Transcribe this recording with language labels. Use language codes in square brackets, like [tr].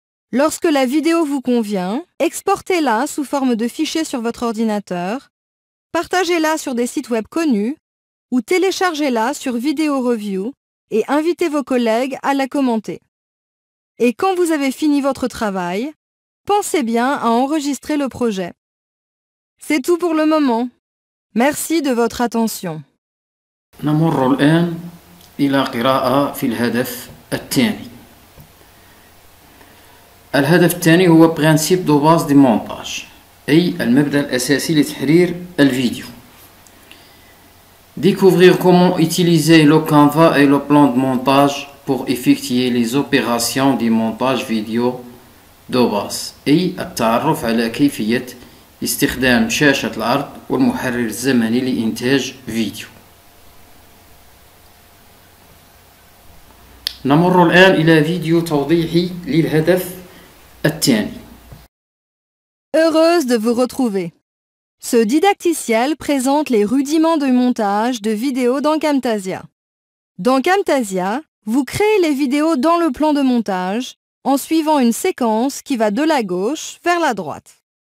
[fr] Lorsque la vidéo vous convient, exportez-la sous forme de fichier sur votre ordinateur, partagez-la sur des sites web connus ou téléchargez-la sur Video Review et invitez vos collègues à la commenter. Et quand vous avez fini votre travail, pensez bien à enregistrer le projet. C'est tout pour le moment. Merci de votre attention. [ar] نمر الآن إلى قراءة في الهدف الثاني. الهدف الثاني هو [fr] principe de base de montage, [ar] أي المبدأ الأساسي لتحرير الفيديو. [fr] Découvrir comment utiliser le Canva et le plan de montage pour effectuer les opérations de montage vidéo de base. [ar] أي التعرف على كيفية استخدام شاشة العرض والمحرر الزمني لإنتاج فيديو. نمر الآن إلى فيديو توضيحي للهدف الثاني. [fr] Heureuse de vous retrouver. Ce didacticiel présente les rudiments de montage de vidéos dans Camtasia. Dans Camtasia, vous créez les vidéos dans le plan de montage en suivant une séquence qui va de la gauche vers la droite.